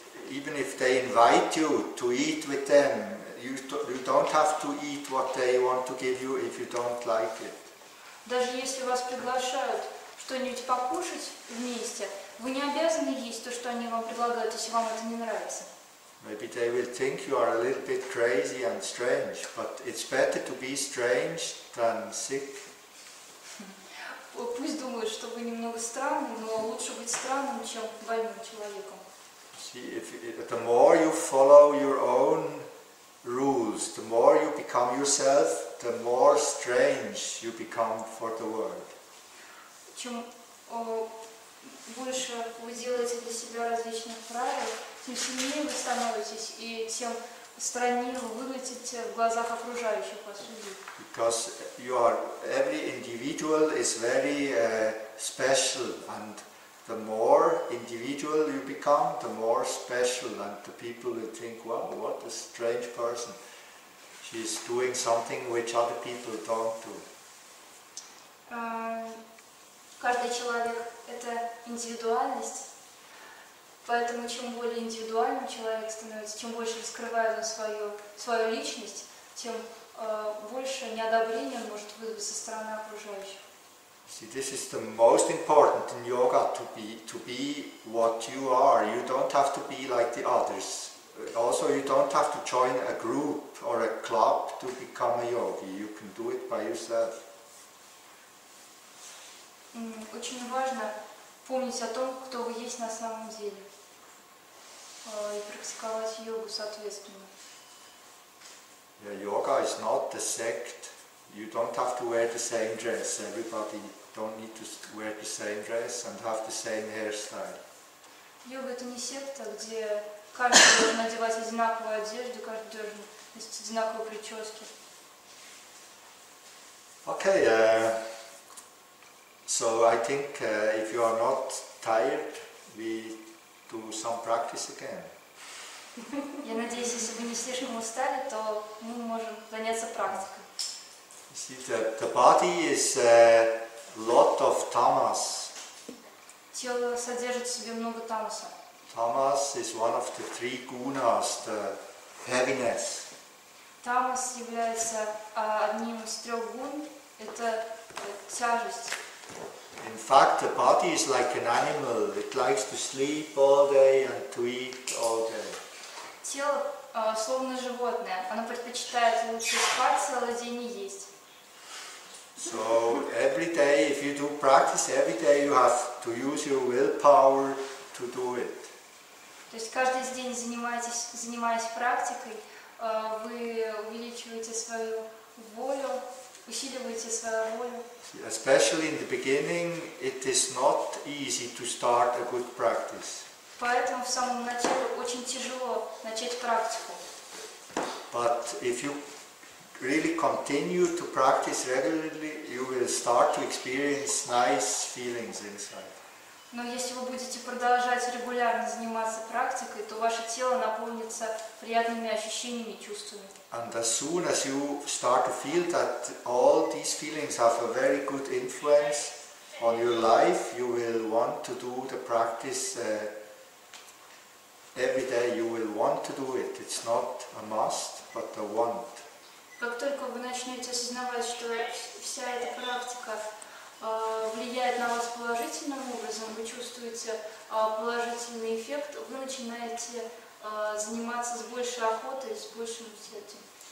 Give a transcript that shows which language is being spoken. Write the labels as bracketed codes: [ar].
[en] Even if they invite you to eat with them, you don't have to eat what they want to give you if you don't like it. [ru] Даже если вас приглашают что-нибудь покушать вместе, вы не обязаны есть то, что они вам предлагают, если вам это не нравится. [en] Maybe they will think you are a little bit crazy and strange, but it's better to be strange than sick. [ru] Пусть думают, что вы немного странный, но лучше быть странным, чем больным человеком. [en] The more you follow your own rules, the more you become yourself, the more strange you become for the world. [ru] Чем больше вы делаете для себя различных правил, тем сильнее вы становитесь, и тем страннее вы выглядите в глазах окружающих вас людей. [en] Because every individual is very special, and the more individual you become, the more special, and the people will think, "Wow, what a strange person! She is doing something which other people don't do." [ru] Каждый человек — это индивидуальность, поэтому чем более индивидуальным человек становится, тем больше раскрывает он свою личность, тем больше неодобрения он может вызвать со стороны окружающих. [en] See, this is the most important in yoga, to be what you are. You don't have to be like the others. Also, you don't have to join a group or a club to become a yogi. You can do it by yourself. [ru] Очень важно помнить о том, кто вы есть на самом деле, и практиковать йогу соответственно. [en] Yeah, yoga is not a sect. You don't have to wear the same dress. Everybody don't need to wear the same dress and have the same hairstyle. [ru] Йога — это не секта, где каждый должен одевать одинаковую одежду, каждый должен носить одинаковые прически. [en] Okay. So I think if you are not tired, we do some practice again. [ru] Я надеюсь, если вы не слишком устали, то мы можем заняться практикой. [en] See, the body is a lot of tamas. [ru] Тело содержит в себе много тамаса. [en] Tamas is one of the three gunas, the heaviness. [ru] Тамас является одним из трех гун, это тяжесть. [en] In fact, the body is like an animal. It likes to sleep all day and to eat all day. [ru] Тело словно животное. Оно предпочитает лучше спать целый день и есть. [en] So every day, if you do practice, every day you have to use your willpower to do it. [ru] То есть каждый день занимаясь практикой, вы увеличиваете свою волю, усиливаете свою волю. [en] Especially in the beginning, it is not easy to start a good practice. [ru] Поэтому в самом начале очень тяжело начать практику. [en] But if you really continue to practice regularly, you will start to experience nice feelings inside. [ru] Но если вы будете продолжать регулярно заниматься практикой, то ваше тело наполнится приятными ощущениями и чувствами. [en] And as soon as you start to feel that all these feelings have a very good influence on your life, you will want to do the practice every day. You will want to do it. It's not a must, but a want. [ru] Как только вы начнете осознавать, что вся эта практика влияет на вас положительным образом, вы чувствуете положительный эффект, вы начинаете заниматься с большей охотой, с большим усердием.